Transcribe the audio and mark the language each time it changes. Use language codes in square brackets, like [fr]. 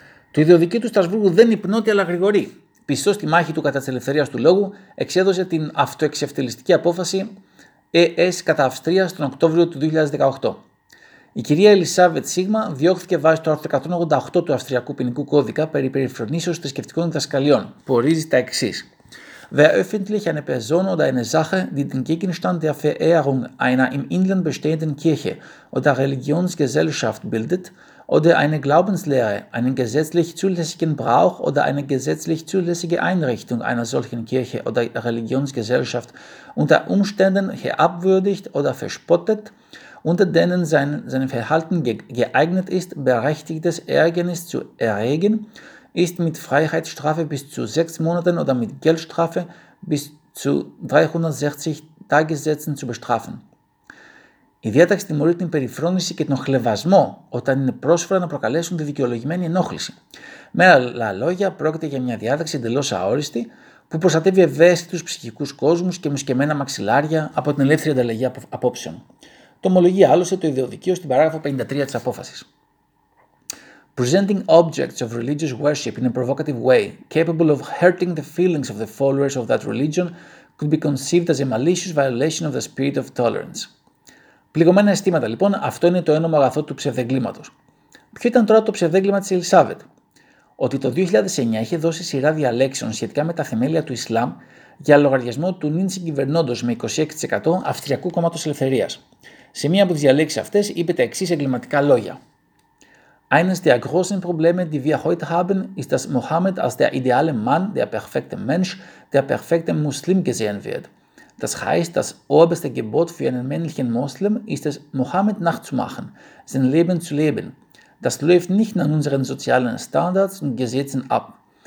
[el] Του ιδιοδικείου του Στρασβούργου δεν υπνώτη αλλά γρηγορή. Πιστό στη μάχη του κατά της ελευθερίας του λόγου, εξέδωσε την αυτοεξευτελιστική απόφαση ΕΕΣ κατά Αυστρίας τον Οκτώβριο του 2018. Η κυρία Ελισάβετ Σίγμα διώχθηκε βάσει το άρθρο 188 του Αυστριακού Ποινικού Κώδικα περί περιφρονήσεως θρησκευτικών διδασκαλιών, που ορίζει τα εξής. [de] Wer öffentlich eine Person oder eine Sache, die den Gegenstand der Verehrung einer im Inland bestehenden Kirche oder Religionsgesellschaft bildet, oder eine Glaubenslehre, einen gesetzlich zulässigen Brauch oder eine gesetzlich zulässige Einrichtung einer solchen Kirche oder Religionsgesellschaft unter Umständen herabwürdigt oder verspottet, unter denen sein Verhalten geeignet ist, berechtigtes Ärgernis zu erregen, ist mit Freiheitsstrafe bis zu 6 Monaten oder mit Geldstrafe bis zu 360 Tagessätzen zu bestrafen. [el] Η διάταξη τιμωρεί την περιφρόνηση και τον χλεβασμό όταν είναι πρόσφορα να προκαλέσουν τη δικαιολογημένη ενόχληση. Με άλλα λόγια, πρόκειται για μια διάταξη εντελώς αόριστη που προστατεύει ευαίσθητους ψυχικούς κόσμους και μουσκεμένα μαξιλάρια από την ελεύθερη ανταλλαγή απόψεων. Το ομολογεί άλλωστε το ιδιοδικείο στην παράγραφο 53 της απόφασης. [en] Presenting objects of religious worship in a provocative way, capable of hurting the feelings of the followers of that religion, could be conceived as a malicious violation of the spirit of tolerance. [el] Πληγωμένα αισθήματα, λοιπόν, αυτό είναι το ένομο αγαθό του ψευδεγκλήματος. Ποιο ήταν τώρα το ψευδέγκλημα της Ελισάβετ? Ότι το 2009 είχε δώσει σειρά διαλέξεων σχετικά με τα θεμέλια του Ισλάμ για λογαριασμό του νυν συγκυβερνώντος με 26% Αυστριακού Κόμματος Ελευθερίας. Σε μία από τις διαλέξεις αυτές είπε τα εξής εγκληματικά λόγια. [de] Eines der großen Probleme, die wir heute haben, ist, dass Mohammed als der ideale Mann, der perfekte Mensch, der perfekte Muslim gesehen wird. Das heißt, das oberste Gebot für einen männlichen Moslem ist es, Mohammed nachzumachen, sein Leben zu leben. Das läuft nicht nach unseren sozialen Standards und Gesetzen ab.